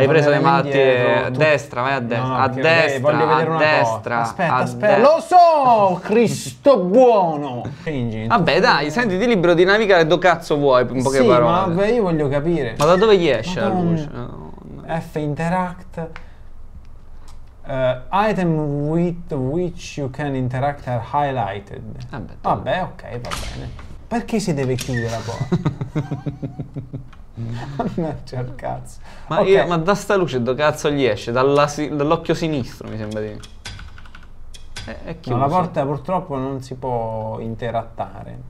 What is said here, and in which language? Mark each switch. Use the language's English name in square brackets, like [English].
[Italian] hai preso le malattie a destra, vai a destra. No, a destra, voglio vedere a una destra. Cosa. Aspetta. Lo so, Cristo buono. [English] Engine. [Italian] Vabbè, dai, sentiti libero di navigare dove cazzo vuoi, in poche parole. Sì, ma vabbè, io voglio capire. Ma da dove gli esce la luce? [English] F interact. Item with which you can interact are highlighted. [Italian] Vabbè, ok, va bene. Perché si deve chiudere la porta? Mannaggia il cazzo. Ma, okay. Ma da sta luce do cazzo gli esce? Dall'occhio sinistro, mi sembra di. È chiuso. No, la porta purtroppo non si può interattare.